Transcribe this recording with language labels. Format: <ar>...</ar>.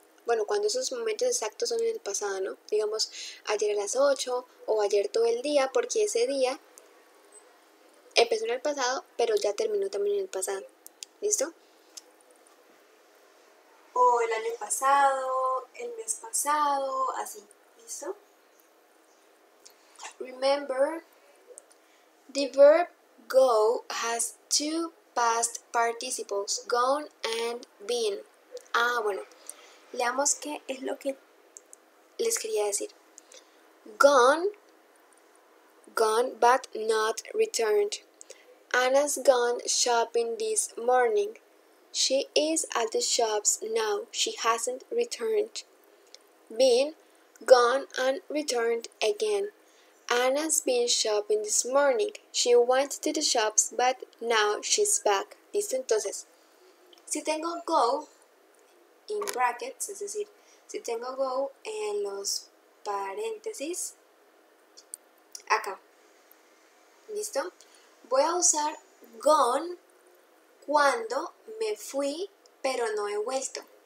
<es>Bueno, cuando esos momentos exactos son en el pasado, ¿no? Digamos, ayer a las 8 o ayer todo el día, porque ese día empezó en el pasado, pero ya terminó también en el pasado. ¿Listo? O el año pasado, el mes pasado, así. ¿Listo?</es> <en>Remember, the verb go has two past participles, gone and been.</en> <es>Ah, bueno. Leamos qué es lo que les quería decir.</es> <en>Gone but not returned. Anna's gone shopping this morning. She is at the shops now. She hasn't returned. Been, gone and returned again. Anna's been shopping this morning. She went to the shops but now she's back.</en> <es>¿Listo? Entonces, si tengo</es> <en>go in brackets,</en> <es>es decir, si tengo go en los paréntesis, acá, ¿listo? Voy a usar gone cuando me fui pero no he vuelto.</es>